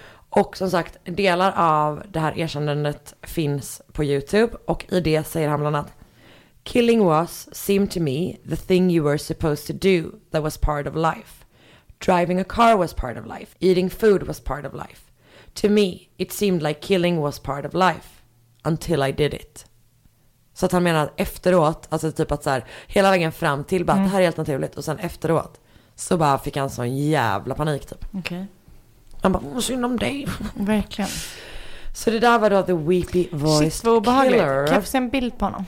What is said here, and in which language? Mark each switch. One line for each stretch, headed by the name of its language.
Swedish: Och som sagt, delar av det här erkännandet finns på YouTube. Och i det säger han bland annat,
English: Killing was, seemed to me, the thing you were supposed to do that was part of life. Driving a car was part of life. Eating food was part of life. To me, it seemed like killing was part of life until I did it.
Swedish: Så att han menar efteråt, alltså typ att så här, hela vägen fram till bara, det här är helt naturligt, och sen efteråt så bara fick han sån jävla panik typ. Okej. Han bara, vad synd om dig. Verkligen. Så det där var då The Weepy Voice Killer. Shit, vad obehagligt. Kan jag få se en bild på honom?